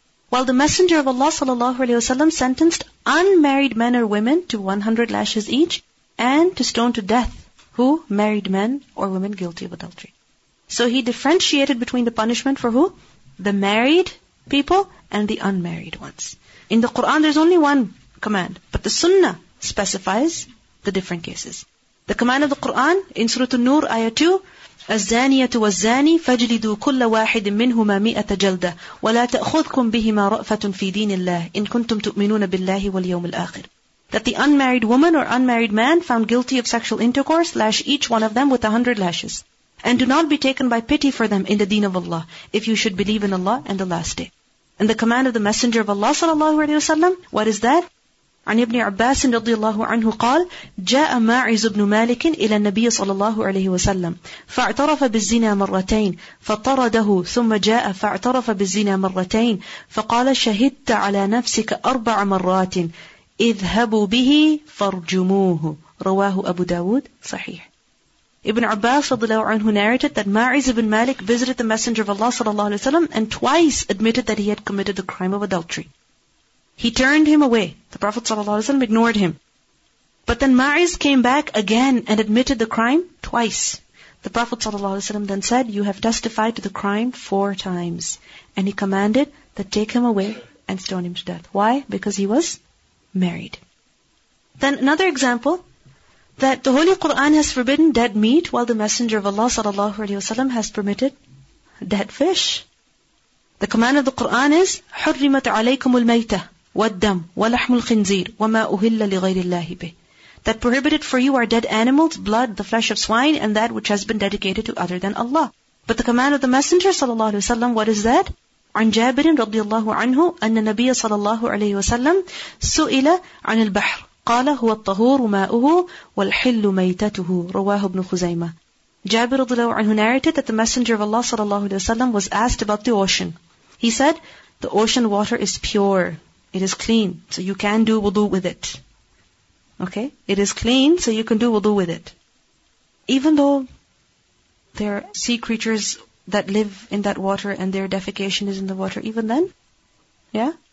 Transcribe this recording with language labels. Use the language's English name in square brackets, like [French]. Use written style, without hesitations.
[English] While the Messenger of Allah sallallahu alayhi wa sallam sentenced unmarried men or women to 100 lashes each and to stone to death who married men or women guilty of adultery. So he differentiated between the punishment for who? The married people and the unmarried ones. In the Quran, there's only one command, but the Sunnah specifies the different cases. The command of the Quran in Surah An-Nur, Ayah 2, [Arabic] الزانيه والزاني فاجلدوا كل واحد منهما 100 جلده ولا تاخذكم بهما رافه في دين الله ان كنتم تؤمنون بالله واليوم الاخر. [English] That the unmarried woman or unmarried man found guilty of sexual intercourse, lash each one of them with 100 lashes, and do not be taken by pity for them in the deen of Allah, if you should believe in Allah and the last day. And the command of the Messenger of Allah sallallahu alaihi wasallam, what is that? [Arabic] عن ابن عباس رضي الله عنه قال جاء ماعز بن مالك إلى النبي صلى الله عليه وسلم فاعترف بالزنا مرتين فطرده ثم جاء فاعترف بالزنا مرتين فقال شهدت على نفسك 4 مرات اذهبوا به فارجموه رواه أبو داود صحيح. [English] Ibn Abbas [Arabic] رضي الله عنه [English] narrated that Ma'iz ibn Malik visited the Messenger of Allah [Arabic] صلى الله عليه وسلم [English] and twice admitted that he had committed the crime of adultery. He turned him away. The Prophet ﷺ ignored him. But then Ma'iz came back again and admitted the crime twice. The Prophet ﷺ then said, "You have testified to the crime 4 times. And he commanded that take him away and stone him to death. Why? Because he was married. Then another example, that the Holy Quran has forbidden dead meat while the Messenger of Allah ﷺ has permitted dead fish. The command of the Quran is, [Arabic] حُرِّمَتْ عَلَيْكُمُ الْمَيْتَةِ والدم ولحم الخنزير وما أهل لغير الله به. [English] That prohibited for you are dead animals, blood, the flesh of swine, and that which has been dedicated to other than Allah. But the command of the Messenger [Arabic] صلى الله عليه وسلم, [English] what is that? [Arabic] عن جابر رضي الله عنه أن النبي صلى الله عليه وسلم سئل عن البحر قال هو الطهور ماؤه والحل ميتته رواه ابن خزيمة. [English] جابر [Arabic] رضي الله عنه [English] narrated that the Messenger of Allah [Arabic] صلى الله عليه وسلم [English] was asked about the ocean. He said, "The ocean water is pure. It is clean, so you can do wudu with it." Okay? It is clean, so you can do wudu with it. Even though there are sea creatures that live in that water and their defecation is in the water, even then? Yeah?